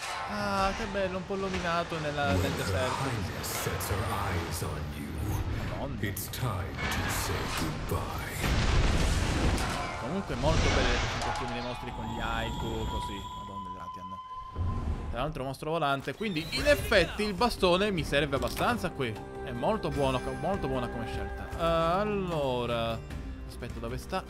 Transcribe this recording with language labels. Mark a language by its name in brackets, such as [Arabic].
[Italian] Ah, che bello, un po' illuminato nella nel deserto. [English] When her highness sets her eyes on you, it's time to say goodbye. [Italian] Comunque molto belle le sensazioni dei mostri con gli haiku, così. Tra l'altro mostro volante, quindi in effetti il bastone mi serve abbastanza qui. È molto buono, molto buona come scelta. Allora, aspetta, dove sta?